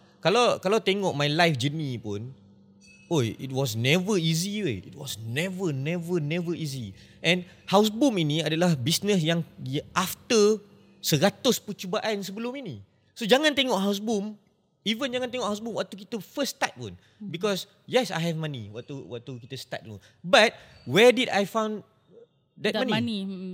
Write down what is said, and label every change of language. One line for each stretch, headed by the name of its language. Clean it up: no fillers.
Malay: Kalau tengok
English: my life journey pun, oi, it was never easy wey. It was never easy. And
Malay: house boom ini adalah business yang after 100 percubaan sebelum ini.
English: So jangan tengok house boom, even
Malay: jangan tengok house boom waktu kita
English: first start pun, because yes, I have money
Malay: waktu kita start dulu,
English: but where did I found that money?